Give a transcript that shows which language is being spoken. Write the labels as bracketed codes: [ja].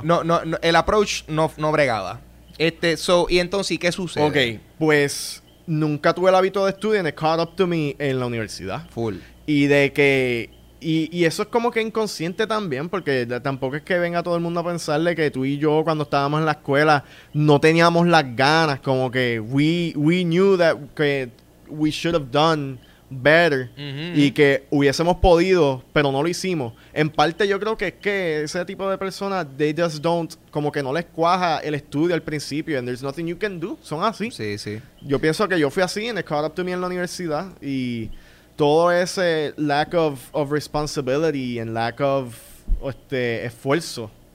[es] No. El approach no bregaba. Y entonces, ¿qué sucede? Ok. Pues... Nunca tuve el hábito de estudiar. [en] And it caught up to me [es] en la universidad. Full. Y de que... Y eso es como que inconsciente también, porque tampoco es que venga todo el mundo a pensarle que tú y yo, cuando estábamos en la escuela, no teníamos las ganas. [en] Como que we knew that que we should have done better. Mm-hmm. [es] Y que hubiésemos podido, pero no lo hicimos. En parte yo creo que es que ese tipo de personas, [en] they just don't, [es] como que no les cuaja el estudio al principio. [en] And there's nothing you can do. [es] Son así. Sí. Yo pienso que yo fui así, [en] and it caught up to me [es] en la universidad. Y... todo ese [en] lack of responsibility and lack of esfuerzo